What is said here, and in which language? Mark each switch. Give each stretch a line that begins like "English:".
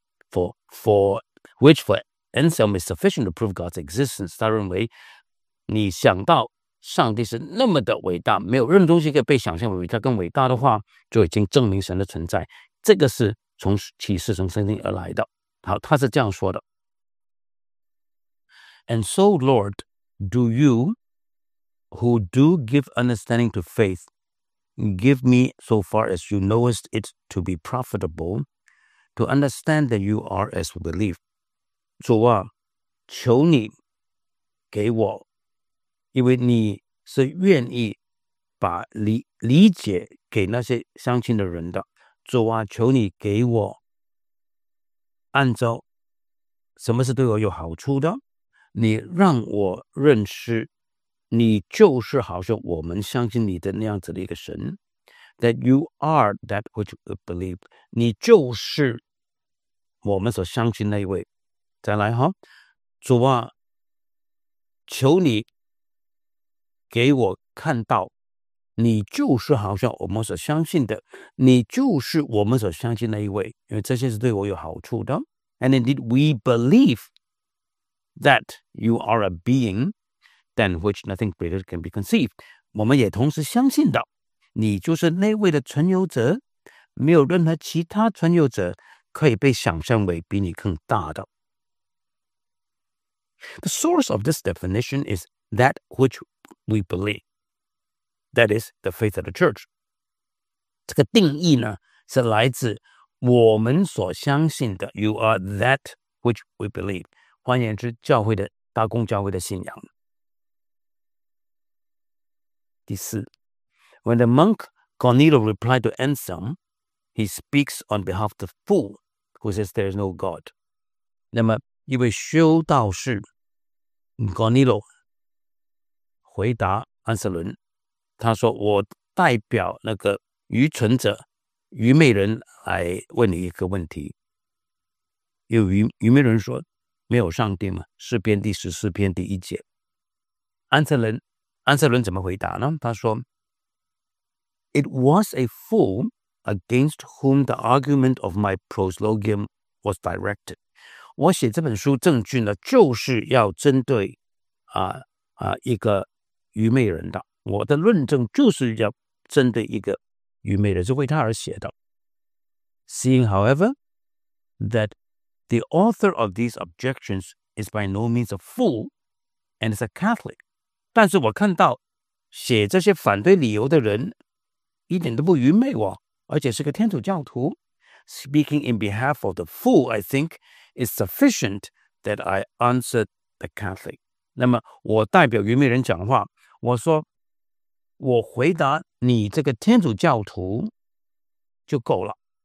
English: For which Anselm is sufficient to prove God's existence,
Chinese: 他认为你想到上帝是那么的伟大，没有任何东西可以被想象为比他更伟大的话，就已经证明神的存在。这个是从启示从圣经而来的。好，他是这样说的
English: ：And so, Lord, do you, who do give understanding to faith, give me so far as you knowest it to be profitable, to understand that you are as we believe.
Chinese: 主啊，求你给我。因为你是愿意把 理解给那些相亲的人的。主啊，求你给我按照什么是对我有好处的，你让我认识你就是好像我们相信你的那样子的一个神。
English: That you are that which we believe,
Chinese: 你就是我们所相信那一位。再来哈，主啊，求你给我看到你就是好像我们所相信的，你就是我们所相信的一位，因为这些是对我有好处的。
English: And indeed we believe that you are a being than which nothing greater can be conceived.
Chinese: 我们也同时相信的，你就是那位的存有者，没有任何其他存有者可以被想象为比你更大的。
English: The source of this definition is that whichWe believe, that is the faith of the church.
Chinese: 这个定义呢，是来自我们所相信的。
English: You are that which we believe.
Chinese: 换言之，教会的大公教会的信仰。第四
English: ，When the monk Cornelio replied to Anselm, He speaks on behalf of the fool who says there is no God.
Chinese: 那么一位修道士 Gonillo 回答安瑟伦，他说我代表那个愚蠢者愚昧人来问你一个问题。有 愚昧人说没有上帝吗？诗篇第十四篇第一节。安瑟伦怎么回答呢？他说
English: It was a fool against whom the argument of my proslogium was directed.
Chinese: 我写这本书证据呢，就是要针对一个愚昧人的。我的论证就是要针对一个愚昧人，是为他而写的。
English: Seeing, however, that the author of these objections is by no means a fool and is a Catholic.
Chinese: 但是我看到写这些反对理由的人一点都不愚昧哦，而且是个天主教徒。
English: Speaking in behalf of the fool, I think, is sufficient that I answered the Catholic.
Chinese: 那么我代表愚昧人讲话，我说我回答你这个天主教徒就够了。